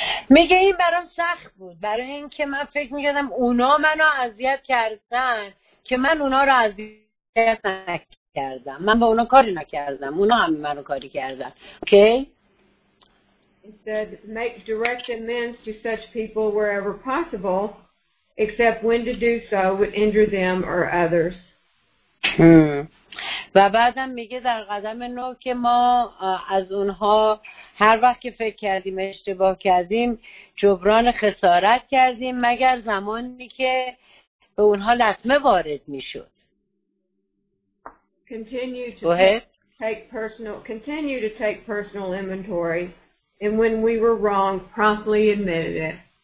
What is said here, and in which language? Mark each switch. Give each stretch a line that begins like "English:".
Persian: میگه این برام سخت بود برای این که من فکر میکردم اونا منو اذیت کردن که من اونا رو اذیت نکردم. من با اونا کاری نکردم. اونا هم منو کاری کردن. Okay?
English: It said, make direct amends to such people wherever possible, except when to do so would injure them or others.
Persian: و بعدم میگه در قدم نو که ما از اونها هر وقت که فکر کردیم اشتباه کردیم جبران خسارت کردیم مگر زمانی که به اونها لطمه وارد میشد.
English: Continue to take personal inventory, and when we were wrong, promptly admitted it.